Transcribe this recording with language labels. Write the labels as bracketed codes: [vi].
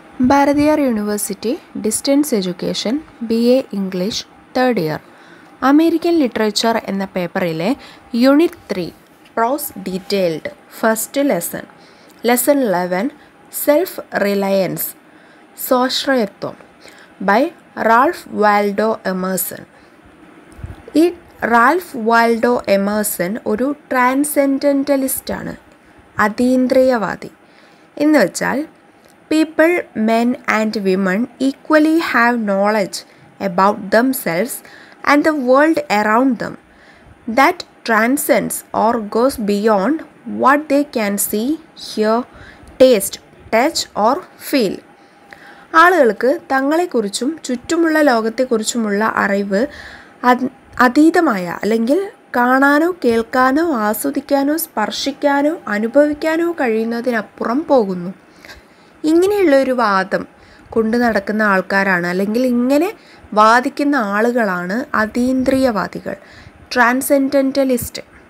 [en] Bharathiar University, Distance Education, BA English, 3rd year. [ml] American Literature എന്ന പേപ്പറിലെ unit 3, pros detailed, first lesson. [en] Lesson 11, self reliance, സ്വാശ്രയത്വം, by Ralph Waldo Emerson. [ml] ഈ Ralf വാൽഡോ Emerson ഒരു ട്രാൻസെൻഡൻ്റലിസ്റ്റാണ്, അതീന്ദ്രിയവാദി. എന്നുവെച്ചാൽ [en] people, men and women equally have knowledge about themselves and the world around them that transcends or goes beyond what they can see, hear, taste, touch or feel. [ml] ആളുകൾക്ക് തങ്ങളെക്കുറിച്ചും ചുറ്റുമുള്ള ലോകത്തെക്കുറിച്ചുമുള്ള അറിവ് അതീതമായ അല്ലെങ്കിൽ കാണാനോ കേൾക്കാനോ ആസ്വദിക്കാനോ സ്പർശിക്കാനോ അനുഭവിക്കാനോ കഴിയുന്നതിനപ്പുറം പോകുന്നു. ഇങ്ങനെയുള്ളൊരു വാദം കൊണ്ടു നടക്കുന്ന ആൾക്കാരാണ് അല്ലെങ്കിൽ ഇങ്ങനെ വാദിക്കുന്ന ആളുകളാണ് അതീന്ദ്രിയവാദികൾ, ട്രാൻസെൻഡൻ്റലിസ്റ്റ്.